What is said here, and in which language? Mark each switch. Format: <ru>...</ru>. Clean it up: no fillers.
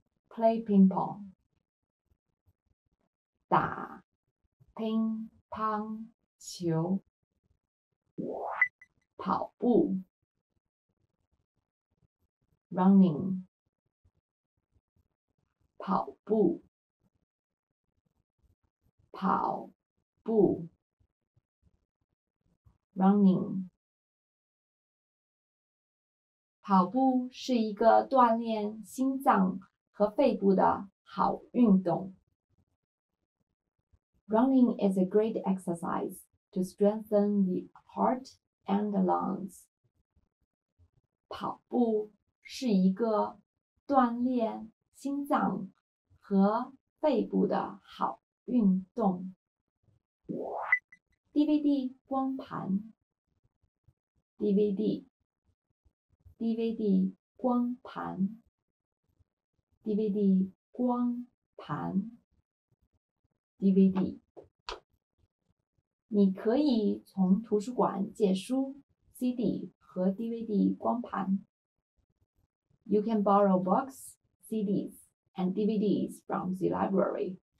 <en>play ping pong</en> <zh>打乒乓球跑步</zh> <en>running</en> <zh>跑步跑步</zh> <en>Running.</en> <zh>跑步是一个锻炼心脏和肺部的好运动。</zh> <en>Running is a great exercise to strengthen the heart and the lungs.</en> <zh>跑步是一个锻炼心脏和肺部的好运动。</zh> <en>DVD</en> <zh>光盘</zh> <en>DVD DVD 光盘 DVD 光盘 DVD</en> <zh>你可以从图书馆借书 CD 和 DVD 光盘</zh> <en>You can borrow books, CDs, and DVDs from the library.</en>